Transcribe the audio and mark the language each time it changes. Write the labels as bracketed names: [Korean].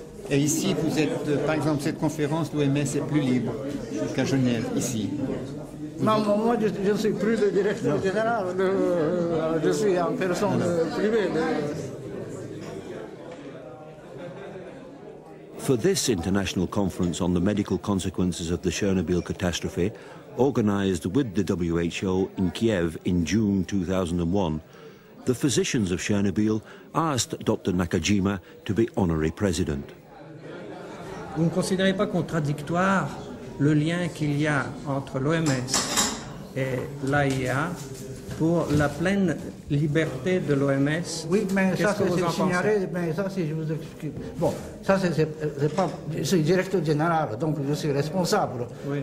[French] Et ici, vous êtes, par exemple, cette conférence, l'OMS est plus libre qu'à Genève, ici. Non, non, moi, je ne suis plus le directeur général, je suis en personne privée. [English] For this international conference on the medical consequences of the Chernobyl catastrophe, organized with the WHO in Kiev in June 2001, the physicians of Chernobyl asked Dr. Nakajima to be honorary president. [French] Vous ne considérez pas contradictoire le lien qu'il y a entre l'OMS et l'AIA pour la pleine liberté de l'OMS? Oui, mais Qu'est-ce que vous en pensez? Bon, ça c'est pas, je suis directeur général, donc je suis responsable. Oui.